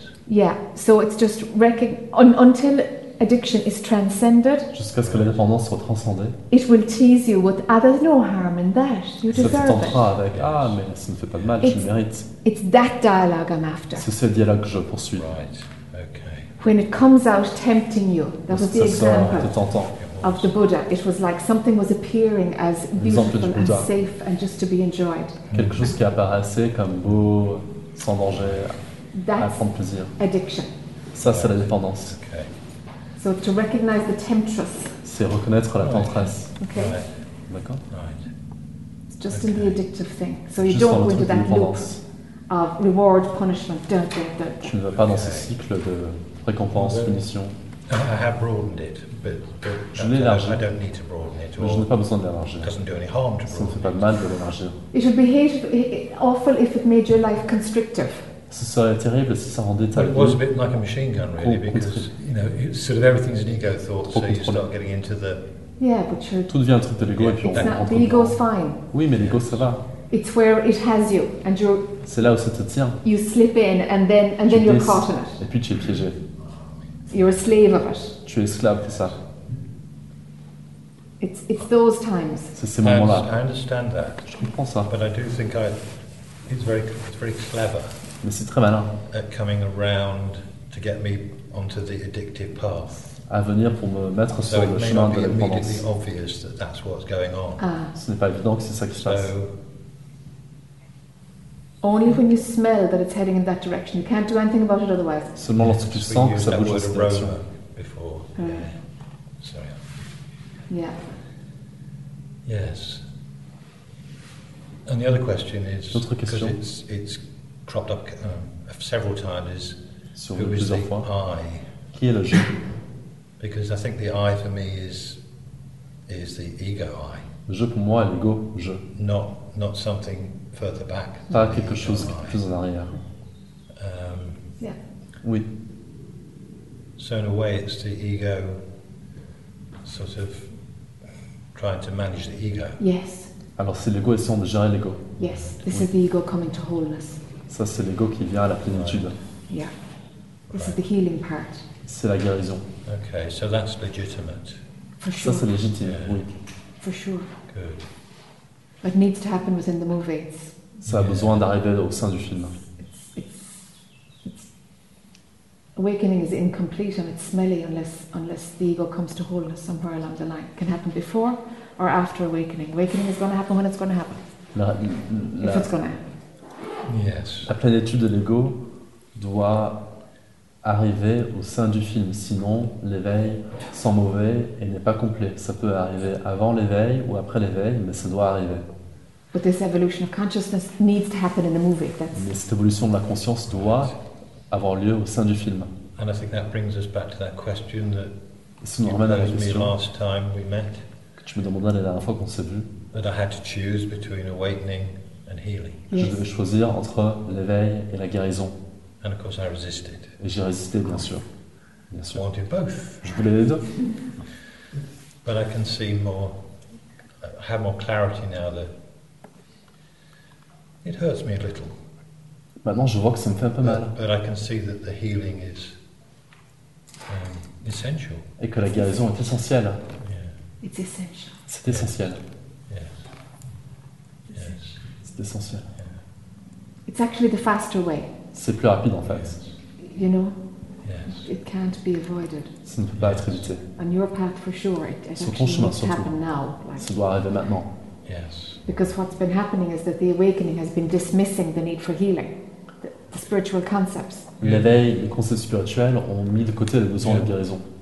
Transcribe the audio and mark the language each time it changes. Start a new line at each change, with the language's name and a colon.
English: Yeah, so it's just until addiction is transcended.
French: Jusqu'à ce que la dépendance soit transcendée.
English: It will tease you with, ah, there's no harm in that, you deserve it.
French: Ça t'entendra avec, ah, mais ça ne fait pas de mal, je le mérite.
English: It's that dialogue I'm after.
French: C'est ce dialogue que je poursuis.
English: Right, okay. when it comes out tempting you, that was the example of the Buddha. It was like something was appearing as beautiful and safe and just to be enjoyed.
French: Quelque chose qui apparaissait comme beau, sans danger, à prendre plaisir.
English: Addiction.
French: Ça, c'est la dépendance.
English: Okay. So to recognize the temptress.
French: C'est reconnaître la tentresse.
English: Okay. Right.
French: D'accord.
English: Right. It's just okay. In the addictive thing. So you just don't go into that loop of reward, punishment, don't do, don't.
French: Tu ne vas pas dans ce cycle de récompense, punition.
English: I have broadened it, but I don't need to broaden it.
French: Mais je n'ai pas besoin de l'élargir.
English: It doesn't do any harm to broaden.
French: Ça ne fait pas de mal de l'élargir.
English: It would be awful if it made your life constrictive.
French: Ce serait terrible si ça rendait ta vie.
English: It was a bit like a machine gun, really, because sort of everything's an ego thought, so you start getting into the. Yeah, but you're.
French: Tout devient un truc de l'ego, et puis on rentre.
English: The ego's fine.
French: Oui, mais l'ego, ça va.
English: It's where it has you, and you're.
French: C'est là où ça te tient.
English: You slip in, and then you're caught in it.
French: Et puis tu es piégé.
English: You're a slave of it.
French: Tu es esclave de ça.
English: It's those times.
French: C'est ces moments-là.
English: I understand that.
French: Je comprends ça.
English: But I do think it's very clever.
French: Mais c'est très malin.
English: At coming around to get me onto the addictive path.
French: À venir pour me mettre sur le chemin de la dépendance.
English: So it may not be immediately obvious that that's what's going on.
French: Ce n'est pas évident que c'est ça qui se passe.
English: Only when you smell that it's heading in that direction. You can't do anything about it otherwise.
French: Seulement lorsque tu sens que ça bouge dans cette direction.
English: Before. Sorry. Yeah. Yes. And the other question is,
French: l'autre question.
English: Because it's cropped up several times, is
French: sur
English: who is the
French: fois.
English: I?
French: Qui est le je?
English: Because I think the I for me is the ego I.
French: Le je pour moi est l'ego, je.
English: Not something further back.
French: Pas quelque chose qui est plus en arrière.
English: Yeah.
French: Oui.
English: So in a way it's the ego sort of trying to manage the ego. Yes.
French: Alors c'est l'ego essayant de gérer l'ego.
English: Yes, this is the ego coming to wholeness.
French: Ça c'est l'ego qui vient à la plénitude.
English: Right. Yeah. This is the healing part.
French: C'est la guérison.
English: Okay, so that's legitimate. For sure.
French: Ça c'est légitime, yeah. Oui.
English: For sure. Good. It needs to happen within the movies. Ça a besoin d'arriver au sein du film. It's awakening is incomplete and it's smelly unless the ego comes to wholeness somewhere along the line. It can happen before or after awakening. Awakening is going to happen when it's going to happen. If it's going to happen. Yes.
French: La plénitude de l'ego doit arriver au sein du film. Sinon, l'éveil sent mauvais et n'est pas complet. Ça peut arriver avant l'éveil ou après l'éveil, mais ça doit arriver.
English: But this evolution of consciousness needs to happen in the movie.
French: Mais cette évolution de la conscience doit avoir lieu au sein du film.
English: And I think that brings us back to that question that you asked me last time we met.
French: Que tu me demandais la dernière fois qu'on s'est vu.
English: That I had to choose between awakening and healing.
French: Je devais choisir entre l'éveil et la guérison.
English: And of course I resisted.
French: Et j'ai résisté, bien sûr. Bien sûr.
English: I wanted both.
French: Je voulais les deux.
English: But I can see more. I have more clarity now that. It hurts me a little.
French: Maintenant, je vois que ça me fait un peu mal.
English: But I can see that the healing is essential.
French: Et que la guérison est essentielle.
English: Yeah. It's essential.
French: C'est essentiel.
English: Yes. Yes.
French: C'est essentiel.
English: Yeah. It's actually the faster way.
French: C'est plus rapide, en fait. Yes.
English: You know. Yes. It can't be avoided.
French: Ça ne peut pas être évité.
English: On your path, for sure. It
French: sur ton chemin, surtout.
English: Happen now,
French: like. Ça doit arriver maintenant.
English: Yes. Because what's been happening is that the awakening has been dismissing the need for healing, the spiritual concepts.
French: L'éveil, les concepts spirituels ont mis de côté le besoin de guérison.